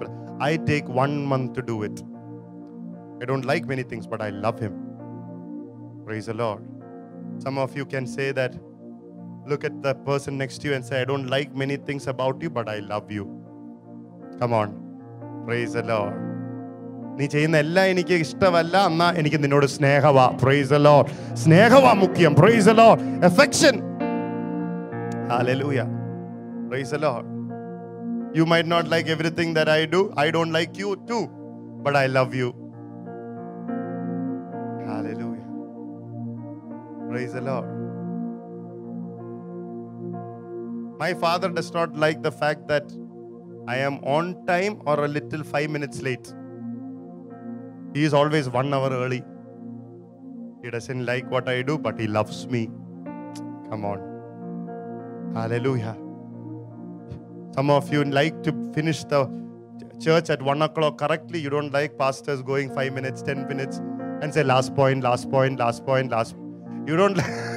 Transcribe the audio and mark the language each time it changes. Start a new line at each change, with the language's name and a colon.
English: But I take 1 month to do it. I don't like many things, but I love him. Praise the Lord. Some of you can say that, look at the person next to you and say, I don't like many things about you, but I love you. Come on. Praise the Lord.
Malayalam: നീ ചെയ്യുന്ന എല്ലാം എനിക്ക് ഇഷ്ടമല്ല എന്നാ എനിക്ക് നിന്നോട് സ്നേഹവാ.
English: Praise the Lord.
Malayalam: സ്നേഹവാ മുഖ്യം.
English: Praise the Lord. Affection. Hallelujah. Praise the Lord. You might not like everything that I do. I don't like you too, but I love you. Hallelujah. Praise the Lord. My father does not like the fact that I am on time or a little 5 minutes late. He is always 1 hour early. He doesn't like what I do, but he loves me. Come on. Hallelujah. Some of you like to finish the church at 1 o'clock correctly. You don't like pastors going 5 minutes, 10 minutes, and say last point, last point, last point, last. You don't like.